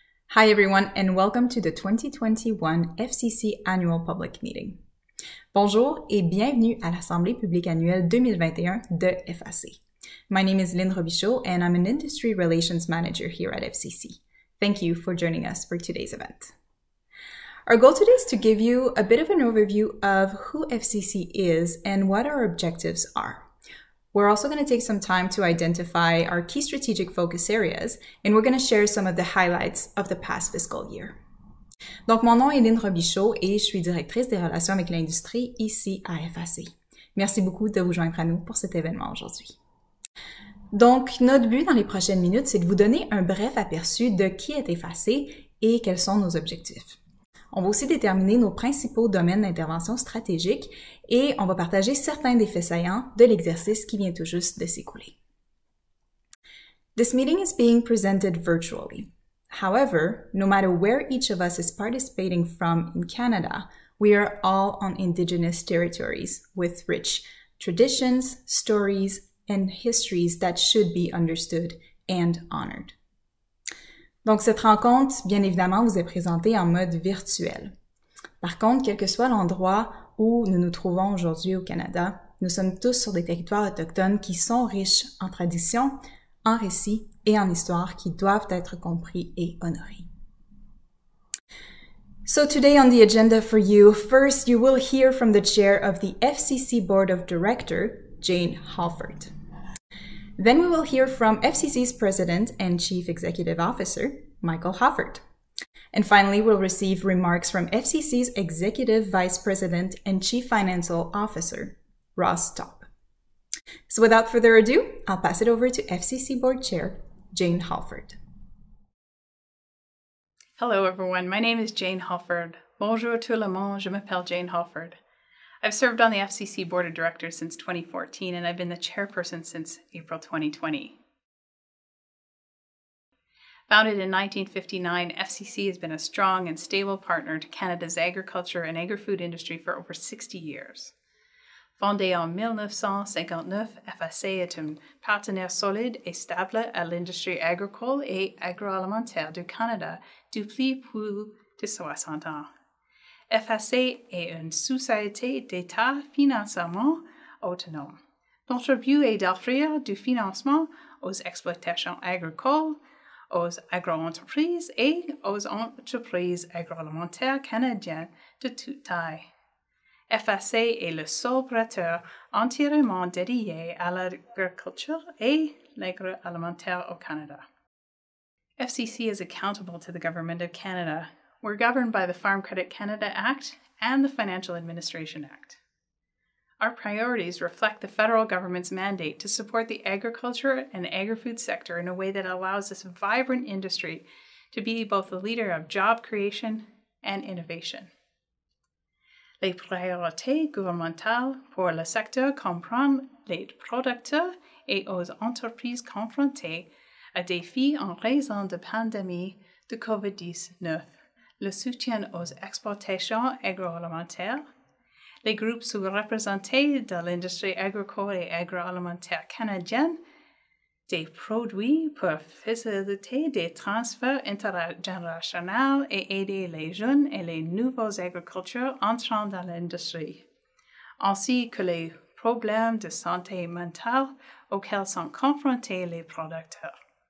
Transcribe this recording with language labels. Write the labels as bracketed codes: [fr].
[en] Hi everyone, and welcome to the 2021 FCC Annual Public Meeting. [fr] Bonjour et bienvenue à l'Assemblée publique annuelle 2021 de FAC. [en] My name is Lyne Robichaud and I'm an Industry Relations Manager here at FCC. Thank you for joining us for today's event. Our goal today is to give you a bit of an overview of who FCC is and what our objectives are. We're also going to take some time to identify our key strategic focus areas, and we're going to share some of the highlights of the past fiscal year. [fr] Donc, mon nom est Lyne Robichaud et je suis directrice des relations avec l'industrie ici à FAC. Merci beaucoup de vous joindre à nous pour cet événement aujourd'hui. Donc, notre but dans les prochaines minutes, c'est de vous donner un bref aperçu de qui est FAC et quels sont nos objectifs. On va aussi déterminer nos principaux domaines d'intervention stratégique et on va partager certains des faits saillants de l'exercice qui vient tout juste de s'écouler. [en] This meeting is being presented virtually. However, no matter where each of us is participating from in Canada, we are all on Indigenous territories with rich traditions, stories, and histories that should be understood and honored. [fr] Donc, cette rencontre, bien évidemment, vous est présentée en mode virtuel. Par contre, quel que soit l'endroit où nous nous trouvons aujourd'hui au Canada, nous sommes tous sur des territoires autochtones qui sont riches en traditions, en récits et en histoires qui doivent être compris et honorés. [en] So today on the agenda for you, first you will hear from the chair of the FCC Board of Directors, Jane Halford. Then we will hear from FCC's President and Chief Executive Officer, Michael Hoffort. And finally, we'll receive remarks from FCC's Executive Vice President and Chief Financial Officer, Ross Topp. So without further ado, I'll pass it over to FCC Board Chair, Jane Halford. Hello, everyone. My name is Jane Halford. [fr] Bonjour tout le monde. Je m'appelle Jane Halford. [en] I've served on the FCC Board of Directors since 2014, and I've been the chairperson since April 2020. Founded in 1959, FCC has been a strong and stable partner to Canada's agriculture and agri-food industry for over 60 years. [fr] Fondée en 1959, FAC est un partenaire solide et stable à l'industrie agricole et agroalimentaire du Canada depuis plus de 60 ans. FAC est une société d'État financièrement autonome. Notre but est d'offrir du financement aux exploitations agricoles, aux agro-entreprises et aux entreprises agroalimentaires canadiennes de toute taille. FAC est le seul prêteur entièrement dédié à l'agriculture et l'agroalimentaire au Canada. [en] FCC is accountable to the Government of Canada. We're governed by the Farm Credit Canada Act and the Financial Administration Act. Our priorities reflect the federal government's mandate to support the agriculture and agri-food sector in a way that allows this vibrant industry to be both a leader of job creation and innovation. [fr] Les priorités gouvernementales pour le secteur comprennent les producteurs et aux entreprises confrontées à des défis en raison de pandémie de COVID-19. Le soutien aux exportations agroalimentaires, les groupes sous-représentés de l'industrie agricole et agroalimentaire canadienne, des produits pour faciliter des transferts intergénérationnels et aider les jeunes et les nouveaux agriculteurs entrant dans l'industrie, ainsi que les problèmes de santé mentale auxquels sont confrontés les producteurs.